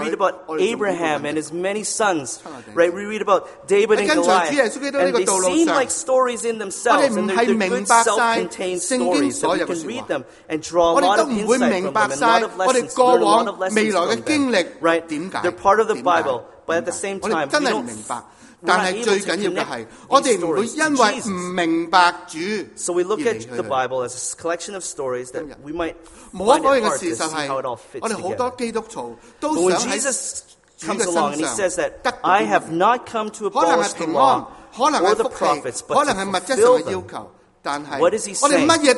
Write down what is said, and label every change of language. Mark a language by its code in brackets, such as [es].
[en] We read about Abraham and his many sons, right? We read about David and Goliath, and they seem like stories in themselves, and they're good self-contained stories that we can read them and draw a lot of insight from them, and a lot of lessons, right? They're part of the Bible, but at the same time, we don't... [zh] 但係最緊要嘅係，我哋唔會因為唔明白主而離去。 [en] So we look at the Bible as a collection of stories that we might find it hard to see how it all fits together. But when Jesus comes along and he says that I have not come to abolish the law or the prophets, but to fulfill them, what is he saying?